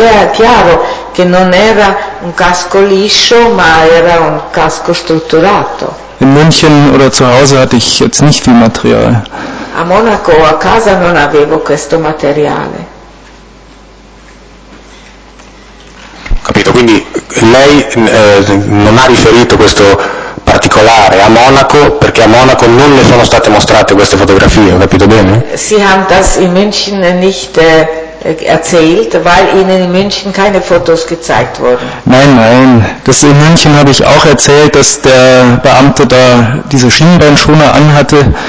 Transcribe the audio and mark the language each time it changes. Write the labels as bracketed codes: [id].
[it] chiaro che non era un casco liscio, ma era un casco strutturato. [de] In München oder zu Hause hatte ich jetzt nicht viel Material. [it] A Monaco a casa non avevo questo materiale. Capito, quindi lei non ha riferito questo particolare a Monaco, perché a Monaco non le sono state mostrate queste fotografie, ho capito bene? [de] Sie haben das in München nicht erzählt, weil Ihnen in München keine Fotos gezeigt wurden. Nein, das in München habe ich auch erzählt, dass der Beamte da diese Schienbeinschoner anhatte.